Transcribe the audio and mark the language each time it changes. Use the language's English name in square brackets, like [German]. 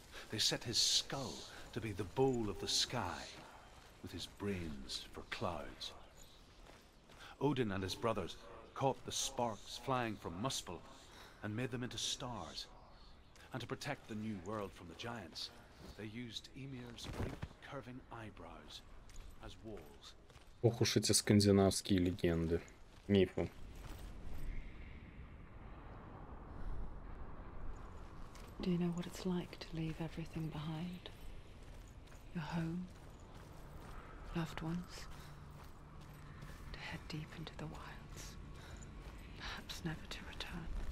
[English] They set his skull to be the bowl of the sky, with his brains for clouds. Odin and his brothers caught the sparks flying from Muspel and made them into stars. And to protect the new world from the giants, they used Ymir's great curving eyebrows as walls. [Russian] Ох уж эти скандинавские легенды, мифы. [English] Do you know what it's like to leave everything behind? Your home, loved ones, to head deep into the wilds, perhaps never to return.